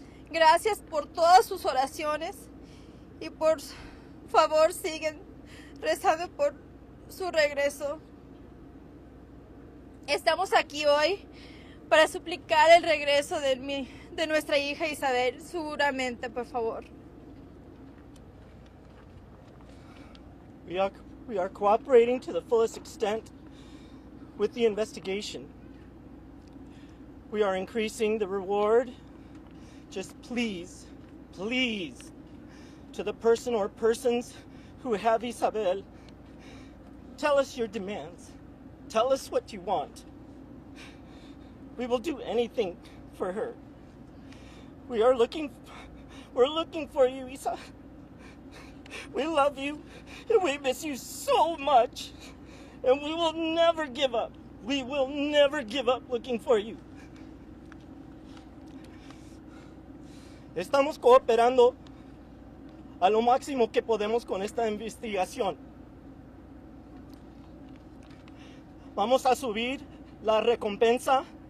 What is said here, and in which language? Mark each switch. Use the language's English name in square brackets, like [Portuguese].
[Spanish] Gracias por todas sus oraciones y por favor siguen rezando por su regreso. Estamos aquí hoy para suplicar el regreso de nuestra hija Isabel, seguramente, por favor. [English] We are cooperating to the fullest extent with the investigation. We are increasing the reward. Just please, please, to the person or persons who have Isabel, tell us your demands. Tell us what you want. We will do anything for her. We're looking for you, Isa. We love you, and we miss you so much. And we will never give up. We will never give up looking for you. [Spanish] Estamos cooperando a lo máximo que podemos con esta investigación. Vamos a subir la recompensa.